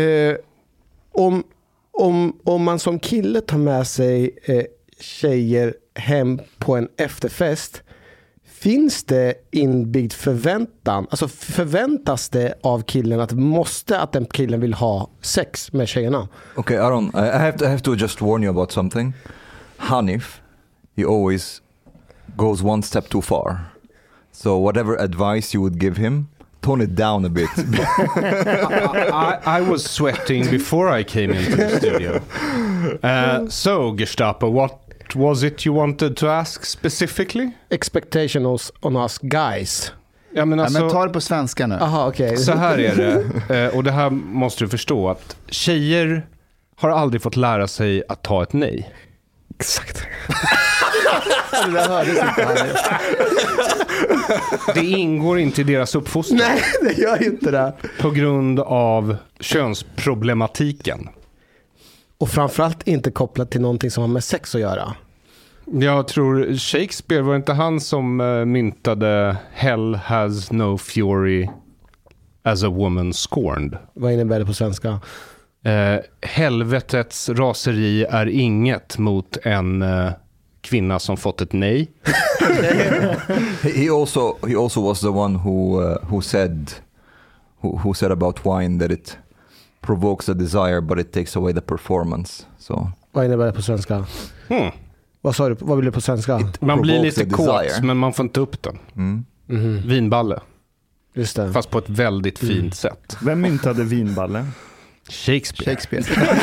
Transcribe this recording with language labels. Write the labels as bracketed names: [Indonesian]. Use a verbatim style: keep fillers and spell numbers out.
[Swedish] Uh, om Om, om man som kille tar med sig eh, tjejer hem på en efterfest, finns det inbyggd förväntan? Alltså förväntas det av killen att måste att den killen vill ha sex med tjejerna? [English] Okej, okay, Aron, I have, to, I have to just warn you about something. Hanif, he always goes one step too far. So whatever advice you would give him, tone it down a bit. I, I, I was sweating before I came into the studio. Uh, so, Gestapo, what was it you wanted to ask specifically? Expectations on us guys. [Swedish] Ja, men, alltså, ja, men ta det på svenska nu. Aha, okay. Så här är det, och det här måste du förstå, att tjejer har aldrig fått lära sig att ta ett nej. Exakt. Det ingår inte i deras uppfostran. Nej, det gör inte det. På grund av könsproblematiken. Och framförallt inte kopplat till någonting som har med sex att göra. Jag tror Shakespeare, var inte han som myntade [English] Hell has no fury as a woman scorned? [Swedish] Vad innebär det på svenska? Eh, helvetets raseri är inget mot en eh, kvinna som fått ett nej. [English] he also he also was the one who uh, who said who, who said about wine that it provokes a desire but it takes away the performance. So. [Swedish] Vad innebär det på svenska? Hmm. Vad sa du? Vad blir det på svenska? It man blir lite kåt, men man får inte upp den. Mm. Mm-hmm. Vinballe. Just det. Fast på ett väldigt fint mm. sätt. Vem myntade vinballe? Shakespeare. Shakespeare.